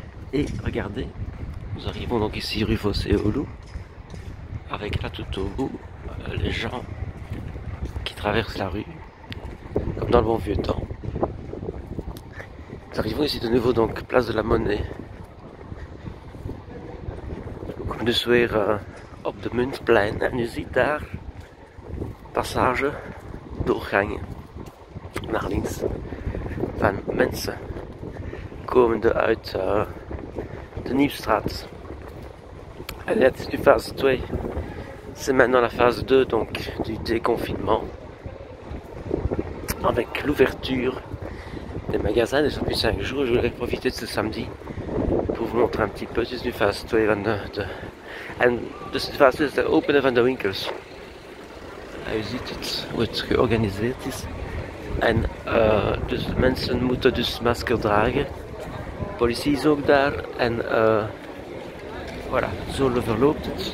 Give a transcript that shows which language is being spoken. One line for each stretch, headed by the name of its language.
French: Et regardez, nous arrivons donc ici rue Fossé au Loup, avec là tout au bout les gens qui traversent la rue, comme dans le bon vieux temps. Nous arrivons ici de nouveau donc place de la Monnaie. Comme de soir.
Dutch: Op de Muntplein en u ziet daar passage, doorgang naar links van mensen komende uit de Nieuwstraat. En dat is nu fase 2.
French: C'est maintenant la fase 2 donc du déconfinement avec l'ouverture des magasins. Déjà depuis 5 jours, je voulais profiter de ce samedi pour vous montrer un petit peu. C'est une phase 2
Dutch: van de. En dus de fase is het openen van de winkels. En je ziet het, hoe het georganiseerd is. En dus de mensen moeten dus masker dragen. De politie is ook daar. En voilà, zo verloopt het.